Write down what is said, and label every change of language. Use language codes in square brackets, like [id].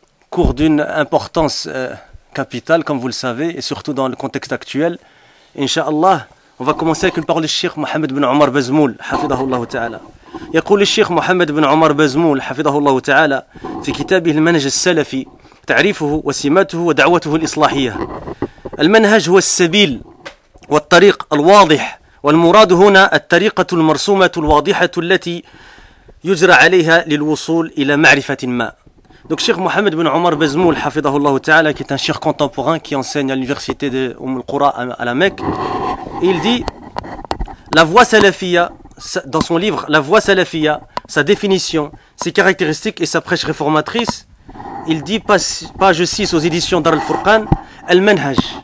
[fr] Cours d'une importance capitale, comme vous le savez, et surtout dans le contexte actuel. Inshallah, on va commencer avec une parole du Cheikh Mohamed bin Omar Bazmoul, hafidahullah ta'ala. [ar] Yaqul al-Sheikh Mohamed bin Omar Bazmoul, hafidahullah ta'ala, fi kitabih al-manaj al-salafi, تعريفه وسماته ودعوته الإصلاحية. المنهج هو السبيل والطريق الواضح، والمراد هنا الطريقة المرسومة الواضحة التي يجرى عليها للوصول إلى معرفة ما. [fr] Donc Cheikh Mohamed bin Omar Bazmoul, hafidahullah ta'ala, qui est un cheikh contemporain qui enseigne à l'université de Umm al-Qura à la Mecque, il dit: la voie salafia, dans son livre La voie salafia, sa définition, ses caractéristiques et sa prêche réformatrice, il dit, page 6 aux éditions Dar al-Furqan, al-manhaj.